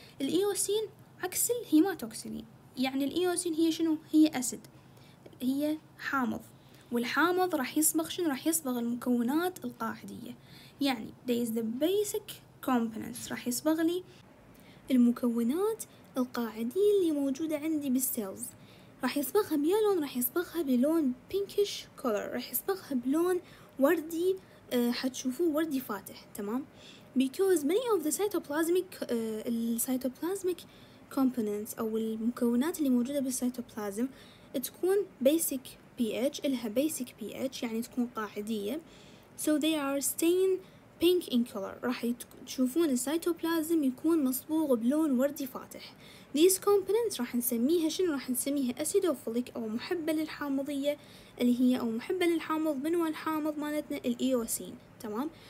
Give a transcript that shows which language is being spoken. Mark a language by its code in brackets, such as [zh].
[ar] الإيوسين عكس الهيماتوكسيلين، يعني الإيوسين هي شنو؟ هي أسد، هي حامض، والحامض راح يصبغ شنو؟ راح يصبغ المكونات القاعدية، يعني [en] these the basic components, [ar] راح يصبغ لي المكونات القاعدية اللي موجودة عندي بالسيلز. راح يصبغها بيا لون؟ راح يصبغها بلون [en] pinkish colour, [ar] راح يصبغها بلون وردي، حتشوفوه وردي فاتح، تمام. [en] because many of the cytoplasmic cytoplasmic components [ar] او المكونات اللي موجودة بالسيتوبلازم تكون basic pH، لها basic pH يعني تكون قاعدية. [en] so they are stain pink in color، [ar] راح تشوفون السيتوبلازم يكون مصبوغ بلون وردي فاتح. [en] these components [ar] راح نسميها شنو؟ راح نسميها acidophilic او محبة للحامضية. اللي هي أو محبة للحامض. من هو الحامض مالتنا؟ الإيوسين. تمام.